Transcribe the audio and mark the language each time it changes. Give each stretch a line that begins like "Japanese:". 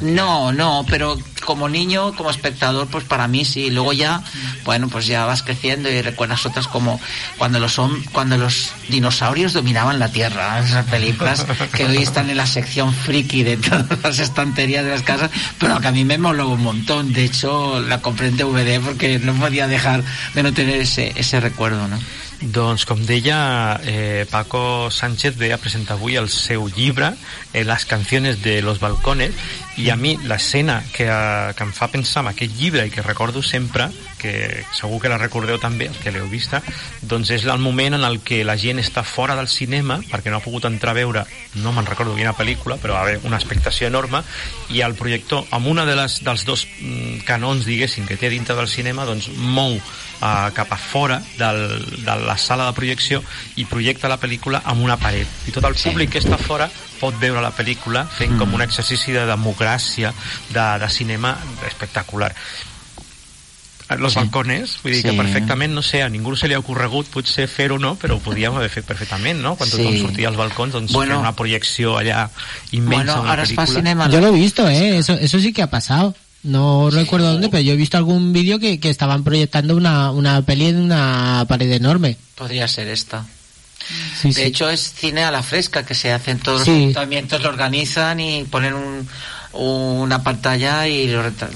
Spanish: No, pero como niño, como espectador, pues para mí sí, luego ya bueno, pues ya vas creciendo y recuerdas otras como cuando los dinosaurios dominaban la Tierra, esas películas que hoy están en la sección friki de todas las estanterías de las casas, pero que a mí me moló un montón, de hecho la compré en DVD porque no podía dejar de no tener ese recuerdo, ¿no?
Catalan: Doncs, com deia, Paco Sánchez ve a presentar avui el seu llibre, Las canciones de los balcones, i a mi l'escena que em fa pensar en aquest llibre i que recordo sempre, que segur que la recordeu també, els que l'heu vista, doncs és el moment en el que la gent està fora del cinema perquè no ha pogut entrar a veure, no me'n recordo quina pel·lícula, però va haver una expectació enorme, i el projector, amb una de les dels dos canons, diguéssim, que té dintre del cinema, doncs mou cap a fora de la sala de projecció i projecta la pel·lícula amb una paret. I tot el públic que està fora pot veure la pel·lícula fent com un exercici de democràcia de cinema espectacular. Los balcones, vull dir que perfectament, no sé, a ningú se li ha ocorregut potser fer-ho, no, però ho podíem haver fet perfectament, no? Quan tothom sortia als balcons, doncs bueno, fer una projecció allà immensa. Bueno, ara es fa cinema.
Spanish: Yo lo he visto, eso sí que ha pasado. No recuerdo dónde, pero yo he visto algún vídeo que estaban proyectando una peli en una pared enorme. Podría ser esta. De hecho, es cine a la fresca, que se hacen todos los ayuntamientos, lo organizan y ponen una pantalla y lo retratan.